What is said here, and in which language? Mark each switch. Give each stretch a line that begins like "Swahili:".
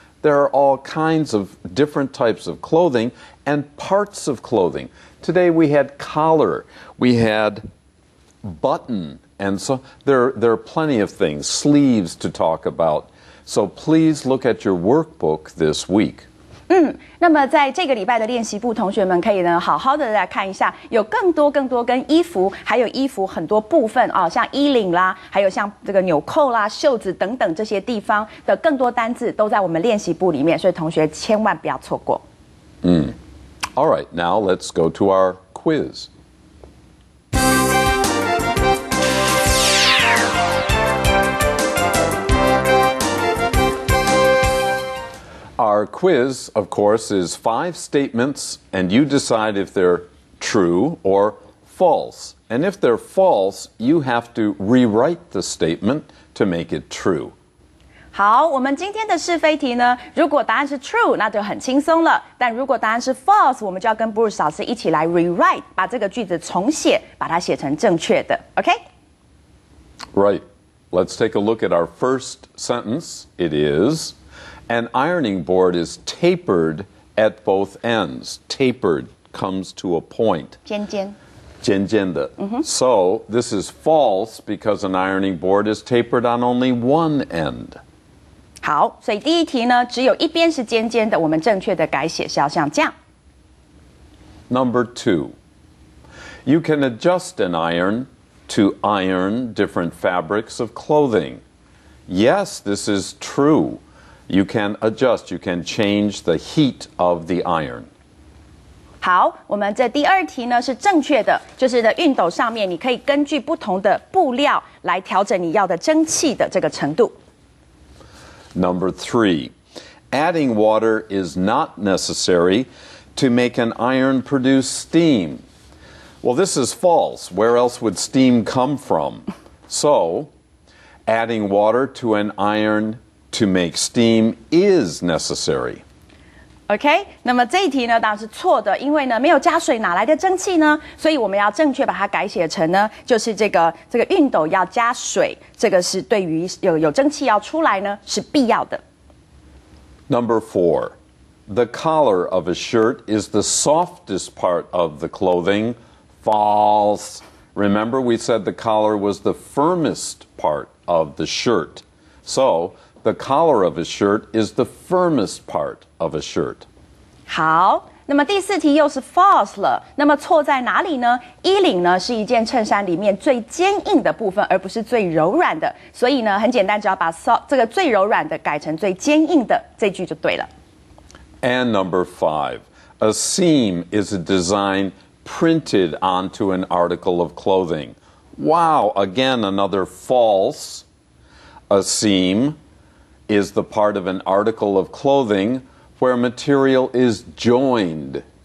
English: There are all kinds of different types of clothing and parts of clothing. Today we had collar. We had... button. And so there are plenty of things, sleeves to talk about. So please look at your workbook this week.
Chinese: 那么在这个礼拜的练习部，同学们可以呢好好的来看一下，有更多更多跟衣服还有衣服很多部分啊，像衣领啦，还有像这个纽扣啦、袖子等等这些地方的更多单字都在我们练习部里面，所以同学千万不要错过。
English: All right, now let's go to our quiz. Our quiz, of course, is five statements, and you decide if they're true or false. And if they're false, you have to rewrite the statement to make it true.
Chinese: 好，我们今天的是非题呢，如果答案是 true， 那就很轻松了。但如果答案是 false， 我们就要跟 Bruce 老师一起来 rewrite， 把这个句子重写，把它写成正确的。
English: OK? Right. Let's take a look at our first sentence. It is, an ironing board is tapered at both ends. Tapered comes to a point.
Chinese: 尖尖。尖尖的、mm-hmm.
English: So, this is false because an ironing board is tapered on only one end.
Chinese: 好，所以第一题呢，只有一边是尖尖的，我们正确的改写是要像这样。
English: Number two, you can adjust an iron to iron different fabrics of clothing. Yes, this is true. You can adjust, you can change the heat of the iron.
Chinese: 好，我们这第二题呢是正确的，就是在熨斗上面，你可以根据不同的布料来调整你要的蒸汽的这个程度。
English: Number three, adding water is not necessary to make an iron produce steam. Well, this is false. Where else would steam come from? So, adding water to an iron to make steam is necessary.
Chinese: Okay, 那么这一题呢当然是错的，因为呢没有加水哪来的蒸汽呢？所以我们要正确把它改写成呢，就是这个熨斗要加水，这个是对于有蒸汽要出来呢是必要的。
English: Number four, the collar of a shirt is the softest part of the clothing. False. Remember, we said the collar was the firmest part of the shirt. So. The collar of a shirt is the firmest part of a shirt.
Chinese: 好，那么第四题又是 false 了。那么错在哪里呢？衣领呢是一件衬衫里面最坚硬的部分，而不是最柔软的。所以呢，很简单，只要把 soft 这个最柔软的改成最坚硬的，这句就对了。
English: And number five, a seam is a design printed onto an article of clothing. Wow, again another false. A seam. Is the part of an article of clothing where material is joined.